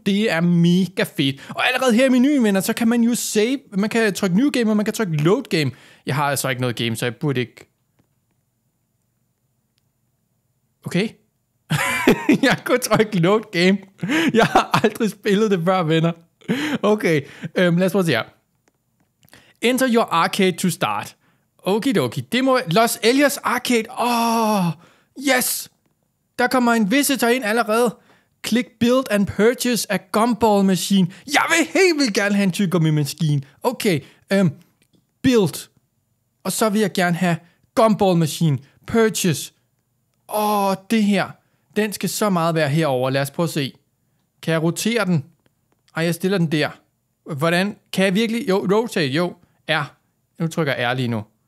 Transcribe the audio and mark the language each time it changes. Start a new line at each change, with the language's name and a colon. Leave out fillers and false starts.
Danish: Det er mega fedt. Og allerede her i menuen, venner, så kan man jo save. Man kan trykke New Game, og man kan trykke Load Game. Jeg har altså ikke noget game, så jeg burde ikke. Okay. Jeg kunne trykke load game. Jeg har aldrig spillet det før, venner. Okay, lad os prøve at se her.
English: Enter your arcade to start.
Danish: Okidoki, det må
English: Los Elias Arcade. Yes.
Danish: Der kommer en visitor ind allerede.
English: Click build and purchase a gumball machine.
Danish: Jeg vil helt vildt gerne have en tyggegummi-maskine. Okay, build. Og så vil jeg gerne have gumball machine. Purchase. Det her. Den skal så meget være herover. Lad os prøve at se. Kan jeg rotere den? Ej, jeg stiller den der. Hvordan? Kan jeg virkelig? Jo, rotate. Jo, R. Nu trykker jeg R lige nu.